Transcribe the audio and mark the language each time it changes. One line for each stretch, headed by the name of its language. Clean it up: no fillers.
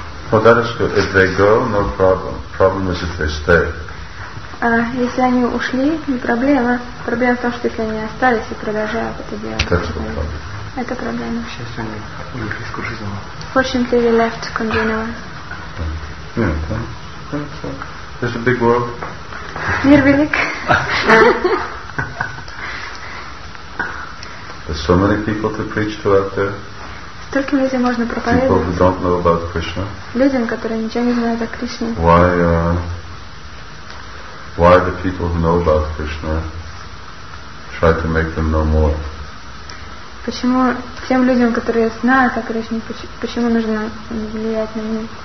English: Well, that is good. If they go, no problem. Problem is if they stay.
Russian: Если они ушли, не проблема. Проблема в том, что если они остались и продолжают это делать. Это проблема. Сейчас они уехали с Куржизова.
English: Fortunately, they left Kunjinova. There's a big world.
Russian: Мир велик.
English: There's so many people to preach to out there.
Russian: Столько людей можно проповедовать.
English: People who don't know about Krishna.
Russian: Людям, которые ничего не знают о Кришне.
English: Why the people who know about Krishna try to make them know more?
Russian: Почему тем людям, которые знают о Кришне, почему нужно влиять на них?